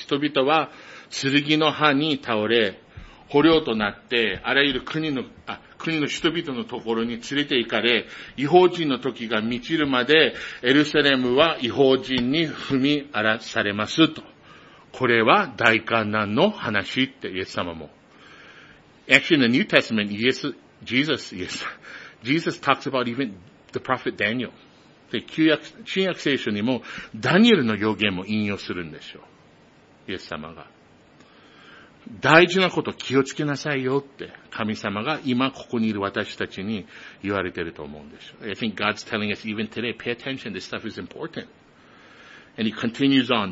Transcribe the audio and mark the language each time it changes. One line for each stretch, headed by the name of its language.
Japanese: 人々は剣の刃に倒れ、捕虜となって、あらゆる国の人々のところに連れて行かれ、異邦人の時が満ちるまで、エルサレムは異邦人に踏み荒らされます、と。これは大患難の話って、イエス様も。
English: Actually, in the New Testament, Jesus talks about even the prophet Daniel.
Japanese: で、新約聖書にも、ダニエルの予言も引用するんでしょう。イエス様が。大事なこと気をつけなさいよって神様が今ここにいる私たちに言われていると思うんでしょう。
English: I think God's telling us even today, pay attention, this stuff is important. And he continues on.